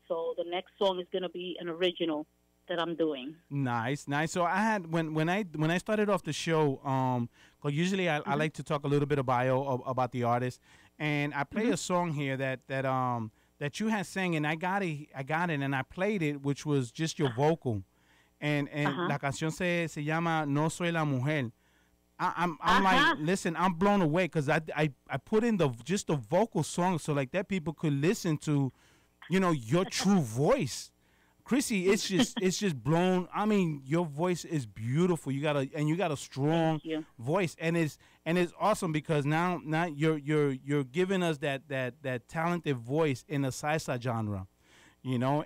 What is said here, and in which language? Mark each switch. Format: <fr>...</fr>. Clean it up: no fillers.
<en>So the next song is going to be an original that I'm doing. Nice. So I had when I started off the show, because usually I like to talk a little bit of bio about the artist, and I play a song here that you had sang, and I got it, and I played it, which was just your vocal. And</en> <es>la canción se llama No Soy La Mujer.</es> <en>I'm like, listen, I'm blown away, because I put in just the vocal song so, like, that people could listen to, you know, your true voice. Chrissy, it's just blown. I mean, your voice is beautiful. You got a strong voice, and it's awesome, because now you're giving us that talented voice in the salsa genre, you know.</en>